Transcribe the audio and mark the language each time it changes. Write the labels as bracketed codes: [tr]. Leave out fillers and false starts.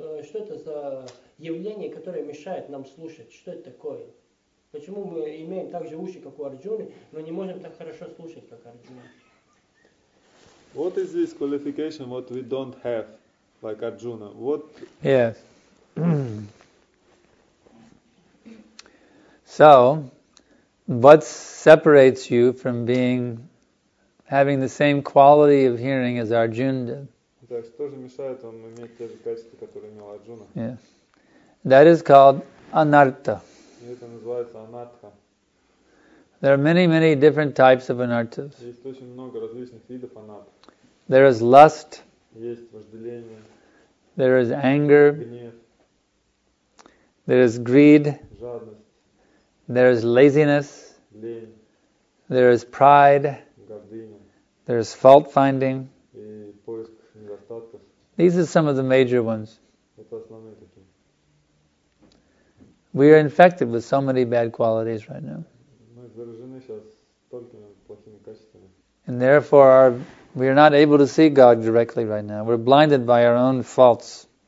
[ru] Что это за явление, которое мешает нам слушать? Что это такое? Почему мы имеем так же уши, как у Арджуны, но не можем так хорошо слушать, как Арджуна? [en] What is this qualification what we don't have? Like Arjuna, what? Yes. So, what separates you from having the same quality of hearing as Arjuna did? [ru] Так что же мешает вам иметь те же качества, которые имел Арджуна? [en] Yes. That is called anartha. [ru] Это называется анартха. [en] There are many, many different types of anarthas. [ru] Есть очень много различных видов анартха. [en] There is lust. [ru] Есть вожделение. [en] There is anger. [ru] Гнев. [en] There is greed. [ru] Жадность. [en] There is laziness. [ru] Лень. [en] There is pride. [ru] Гордыня. [en] There is fault finding. [ru] И поиск недостатков. [en] These are some of the major ones. [ru] Это основные такие. [en] We are infected with so many bad qualities right now. [ru] Мы заражены сейчас столькими плохими качествами. [en] And therefore our We are not able to see God directly right now. We're blinded by our own faults.